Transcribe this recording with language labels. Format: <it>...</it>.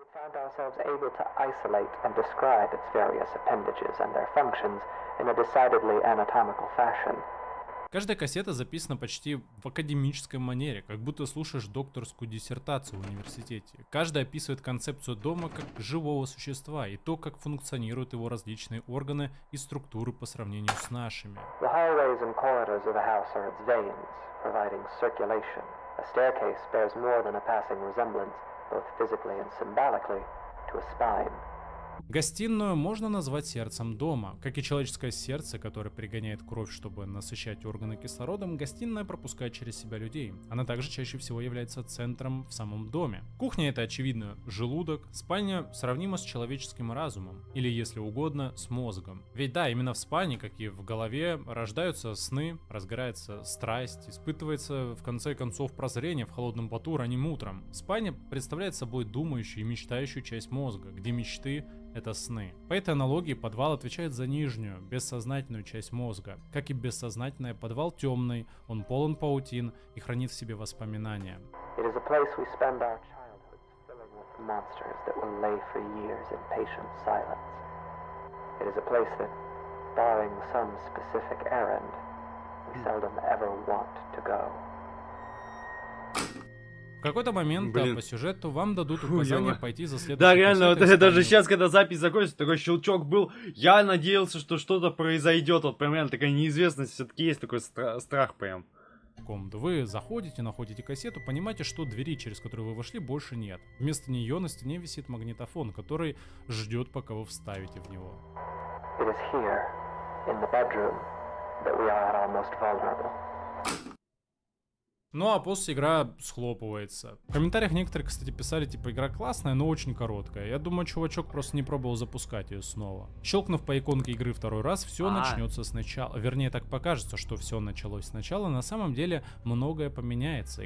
<en>Found ourselves able to isolate and describe its various appendages and their functions in a decidedly anatomical fashion.</en> <ru>Каждая кассета записана почти в академической манере, как будто слушаешь докторскую диссертацию в университете. Каждая описывает концепцию дома как живого существа и то, как функционируют его различные органы и структуры по сравнению с нашими.</ru> <en>The hallways and corridors of the house are its veins, providing circulation. A staircase bears more than a passing resemblance, both physically and symbolically, to a spine.</en> <ru>Гостиную можно назвать сердцем дома. Как и человеческое сердце, которое пригоняет кровь, чтобы насыщать органы кислородом, гостиная пропускает через себя людей. Она также чаще всего является центром в самом доме. Кухня — это, очевидно, желудок. Спальня сравнима с человеческим разумом. Или, если угодно, с мозгом. Ведь да, именно в спальне, как и в голове, рождаются сны, разгорается страсть, испытывается, в конце концов, прозрение в холодном поту ранним утром. Спальня представляет собой думающую и мечтающую часть мозга, где мечты — это сны. По этой аналогии подвал отвечает за нижнюю, бессознательную часть мозга. Как и бессознательное, подвал темный, он полон паутин и хранит в себе воспоминания.</ru> <en>It is a place we spend our childhood filling with monsters that will lay for years in patient silence. It is a place that, barring some specific errand, we seldom ever want to go.</en> <ru>В какой-то момент, по сюжету, вам дадут указание пойти за следующей. Да, реально, вот даже сейчас, когда запись закончится, такой щелчок был, я надеялся, что что-то произойдет, вот прям такая неизвестность, все-таки есть такой страх прям. Комнату. Вы заходите, находите кассету, понимаете, что двери, через которую вы вошли, больше нет. Вместо нее на стене висит магнитофон, который ждет, пока вы вставите в него.</ru> <en>It is here, in the bedroom, that we are most vulnerable.</en> <ru>Ну а после игра схлопывается. В комментариях некоторые, кстати, писали, типа, игра классная, но очень короткая. Я думаю, чувачок просто не пробовал запускать ее снова. Щелкнув по иконке игры второй раз, все начнется сначала. Вернее, так покажется, что все началось сначала. На самом деле, многое поменяется.</ru>